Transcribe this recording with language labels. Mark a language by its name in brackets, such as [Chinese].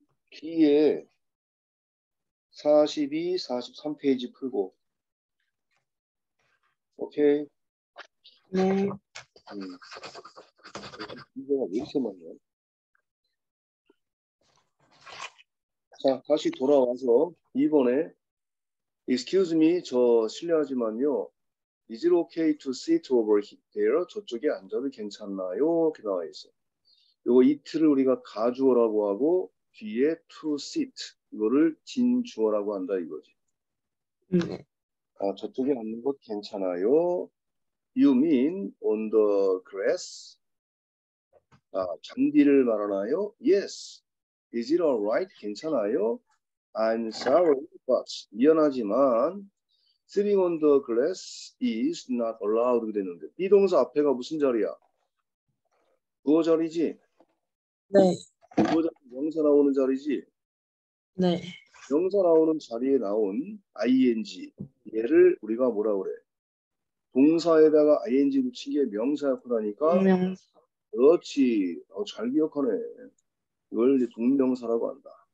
[Korean] P에 42, 43페이지 풀고 오케이. 네. 문제가 왜 이렇게 많냐? 자, 다시 돌아와서 이번에 [English] Excuse me, [Korean] 저 실례하지만요. [English] Is it okay to sit over there? [Korean] 저쪽에 앉아도 괜찮나요? 이렇게 나와 있어. 요거 it를 우리가 가주어라고 하고 뒤에 to sit 이거를 진주어라고 한다 이거지. 아, 저쪽에 앉는 것 괜찮아요? [English] You mean on the grass? [Korean] 아, 잔디를 말하나요? [English] Yes. Is it alright? [Korean] 괜찮아요? [English] I'm sorry, but [Korean] 미안하지만 [English] sitting on the grass is not allowed [Korean] 그랬는데 이 동사 앞에가 무슨 자리야? 부어 자리지? 네. 부어 자리, 명사 나오는 자리지? 네. 명사 나오는 자리에 나온 ing 얘를 우리가 뭐라 그래? 동사에다가 ing 붙인 게 명사였구나니까 명사. 그렇지. 잘 기억하네. 이걸 동명사라고 한다.